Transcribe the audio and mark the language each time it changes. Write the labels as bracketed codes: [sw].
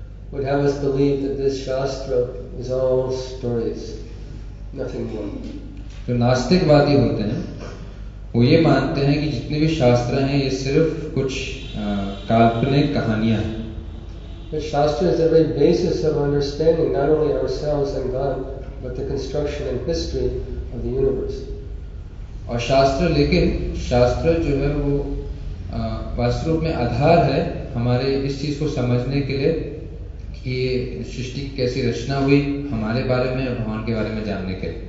[en] would have us believe that this Shastra is all stories, nothing more. [hi] जो नास्तिकवादी होते हैं वो ये मानते हैं कि जितने भी शास्त्र हैं ये सिर्फ कुछ काल्पनिक कहानियां हैं। [en] The Shastra is the very basis of understanding not only ourselves and God, but the construction and history of the universe. [hi] और शास्त्र लेकिन शास्त्र जो है वो वास्तव रूप में आधार है हमारे इस चीज को समझने के लिए कि सृष्टि कैसी रचना हुई हमारे बारे में और भगवान के बारे में जानने के